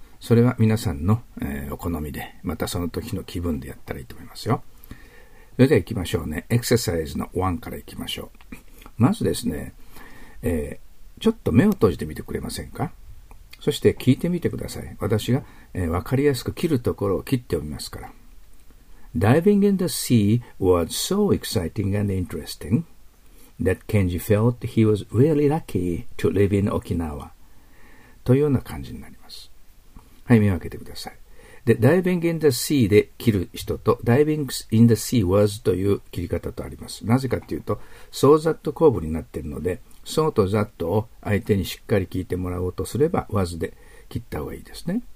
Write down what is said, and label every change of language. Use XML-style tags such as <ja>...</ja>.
<ja>それは皆さんの、お好みで、またその時の気分でやったらいいと思いますよ。それでは行きましょうね。エクササイズの1から行きましょう。まずですね、ちょっと目を閉じてみてくれませんか？そして聞いてみてください。私が、分かりやすく切るところを切っておみますから。</ja> <en>Diving in the sea was so exciting and interesting that Kenji felt he was really lucky to live in Okinawa</en> <ja>というような感じになります。はい、目を開けてください。で、</ja> <en>Diving in the sea</en> <ja>で切る人と</ja> <en>Diving in the sea was</en> <ja>という切り方とあります。なぜかというと、 so that 構文になっているので、そうとざっとを相手にしっかり聞いてもらおうとすれば、was で切った方がいいですね。</ja>